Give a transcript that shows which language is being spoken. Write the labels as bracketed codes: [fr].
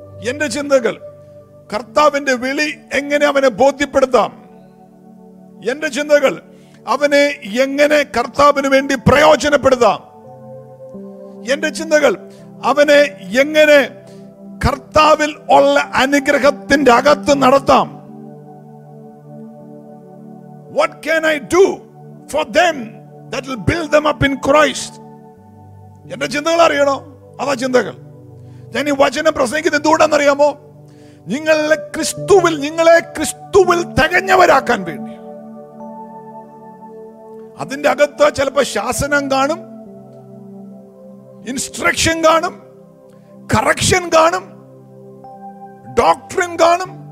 [ml] എന്റെ ചിന്തകൾ കർത്താവിന്റെ വിളി എങ്ങനെ അവനെ ബോധ്യപ്പെടുത്താം? എന്റെ ചിന്തകൾ അവനെ എങ്ങനെ കർത്താവിന് വേണ്ടി പ്രയോജനപ്പെടുത്താം? എന്റെ ചിന്തകൾ അവനെ എങ്ങനെ കർത്താവിൽ ഉള്ള അനുഗ്രഹത്തിന്റെ അകത്ത് നടത്താം? [en] What can I do for them that will build them up in Christ? [ml] എന്റെ ചിന്തകൾ അറിയണോ? അതാ ചിന്തകൾ. ഞാൻ ഈ വചനം പ്രസംഗിക്കുന്നത് എന്തുകൊണ്ടാന്ന് അറിയാമോ? നിങ്ങളെ ക്രിസ്തുവിൽ, നിങ്ങളെ ക്രിസ്തുവിൽ തികഞ്ഞവരാക്കാൻ വേണ്ടി. അതിന്റെ അകത്ത് ചിലപ്പോ ശാസനം കാണും, ഇൻസ്ട്രക്ഷൻ കാണും, കറക്ഷൻ കാണും, ഡോക്ടറിൻ കാണും.